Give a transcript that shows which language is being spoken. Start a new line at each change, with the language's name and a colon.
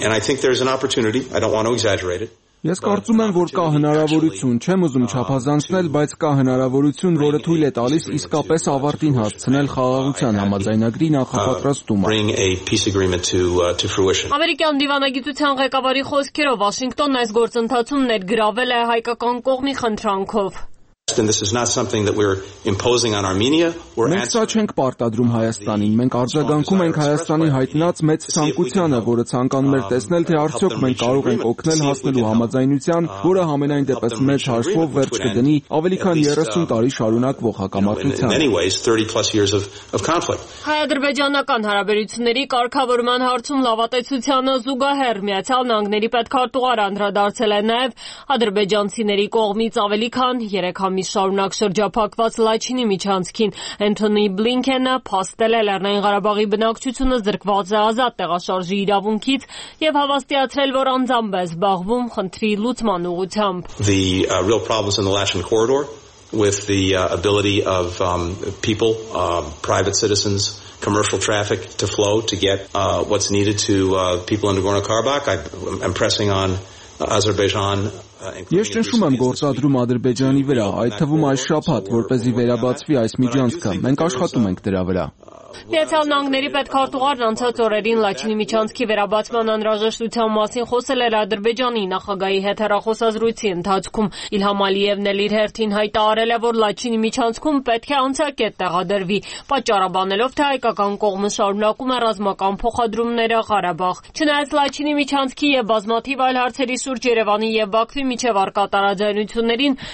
Armenian: Ես կարծում եմ, որ կա հնարավորություն, չեմ ուզում չափազանցնել, բայց կա հնարավորություն, որը թույլ է տալիս իսկապես ավարտին հասցնել խաղաղության համաձայնագրի նախապատրաստումը։ Ամերիկյան դիվանագիտության ղեկավարի խոսքերով Վաշինգտոնն այս գործընթացում ներգրավել է հայկական կողմի խնդրանքով։
English: And this is not something that we're imposing on Armenia.
Armenian: Մենք սա չենք պարտադրում Հայաստանին, մենք արձագանքում ենք Հայաստանի հայտնած մեծ ցանկությանը, որը ցանկանում էր տեսնել, թե արդյոք մենք կարող ենք օգնել հասնելու համաձայնության, որը համենայն դեպս մեջ հաշվով վերջ կդնի ավելի քան 30 տարի շարունակվող հակամարտությանը։ Հայ-ադրբեջանական հարաբերությունների կարգավորման հարցում լավատեսությանը զուգահեռ Միացյալ Նահանգների պետքարտուղար անդրադարձել է նաև ադրբեջանցիների կողմից ավելի քան 3 համի շարունակ շրջափակված Լաչինի միջանցքին։ Էնթոնի Բլինքենը փաստել է Լեռնային Ղարաբաղի բնակչությունը զրկված է ազատ տեղաշարժի իրավունքից և հավաստիացրել, որ անձամբ է զբաղվում խնդրի լուծման ուղղությամբ։
English: The real problems in the Lachin corridor with the ability of people, private citizens, commercial traffic to flow to get what's needed to people in Nagorno-Karabakh. I'm pressing on Azerbaijan.
Armenian: Ես ճնշում եմ գործադրում Ադրբեջանի վրա, այդ թվում այս շաբաթ, որպեսզի վերաբացվի այս միջանցքը, մենք աշխատում ենք դրա վրա։ Միացյալ Նահանգների պետքարտուղարն անցած օրերին Լաչինի միջանցքի վերաբացման անհրաժեշտության մասին խոսել էր Ադրբեջանի նախագահի հետ հեռախոսազրույցի ընթացքում։ Իլհամ Ալիևն էլ իր հերթին հայտարարել է, որ Լաչինի միջանցքում պետք է անցակետ տեղադրվի, պատճառաբանելով, թե հայկական կողմը շարունակում է ռազմական փոխադրումները Ղարաբաղ։ Չնայած Լաչինի միջանցքի և բազմաթիվ այլ հարցերի սուրճ Երևանի և Բաքվի միջև առկա տարաձայնություններին,